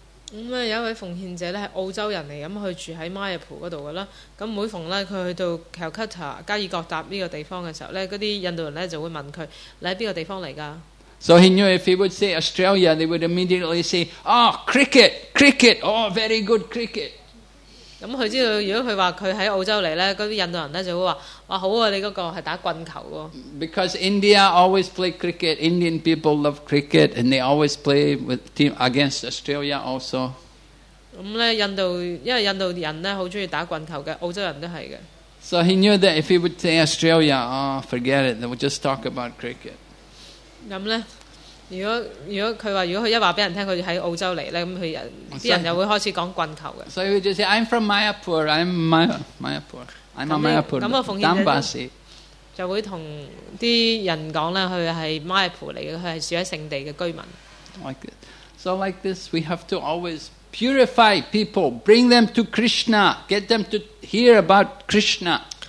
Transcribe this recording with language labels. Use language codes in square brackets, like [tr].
[yue] 咁啊，有一位奉獻者咧係澳洲人嚟，咁佢住喺 Mayapur 嗰度噶啦。咁每逢咧佢去到 Calcutta 加爾各答呢個地方嘅時候咧，嗰啲印度人咧就會問佢：你喺邊個地方嚟㗎 [en] ？So he knew if he would say Australia, they would immediately say, "Ah,、oh, cricket, cricket, oh, very good cricket." [yue] 咁佢知道，如果佢話佢喺澳洲嚟咧，嗰啲印度人咧就會話。好啊，你嗰個係打棍球喎。 [en] Because India always play cricket. Indian people love cricket, and they always play with team against Australia also. [yue] 咁咧，印度因為印度人咧好中意打棍球嘅，澳洲人都係嘅。 [en] So he knew that if he would say Australia, oh, forget it. Then we'll just talk about cricket. [yue] 咁咧，如果佢話如果佢一話俾人聽佢喺澳洲嚟咧，咁佢人啲人又會開始講棍球嘅。 [en] So he would just say, "I'm from Mayapur. I'm Mayapur." I'm Mayapur, Dambasi. [yue] 就會同啲人講咧，佢係 Mayapur 嚟嘅，佢係住喺聖地嘅居民。 [en] Like this, so like this, we have to always purify people, bring them to Krishna, get them to hear about Krishna.